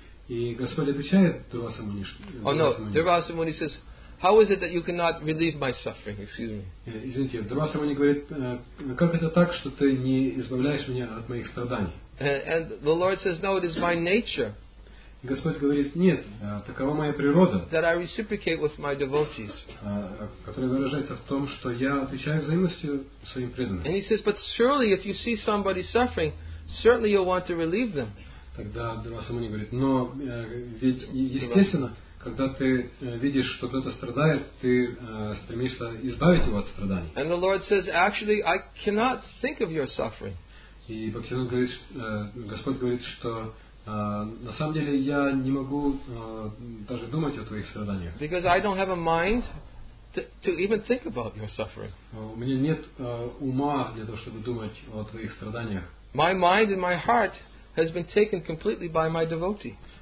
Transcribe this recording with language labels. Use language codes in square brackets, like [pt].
[ru] И Господь отвечает Дурваса Муни. [en] Дурваса Муни says, how is it that you cannot relieve my suffering? Excuse me. [ru] Извините, Дурваса Муни говорит, как это так, что ты не избавляешь меня от моих страданий? [en] And the Lord says, no, it is my nature. [ru] И Господь говорит, нет, такова моя природа. [en] That I reciprocate with my devotees. [ru] Которая выражается в том, что я отвечаю взаимностью своим преданным. [en] And he says, but surely if you see somebody suffering, certainly you'll want to relieve them. [ru] Тогда Дурваса Муни говорит, но ведь естественно, когда ты видишь, что кто-то страдает, ты стремишься избавить его от страданий. [en] And the Lord says, actually, I cannot think of your suffering. [ru] И Бхактивинода говорит, Господь говорит, что на самом деле я не могу даже думать о твоих страданиях. [en] Because I don't have a mind to even think about your suffering. [ru] У меня нет ума для того, чтобы думать о твоих страданиях. [en] My mind and my heart has been taken completely by my devotee.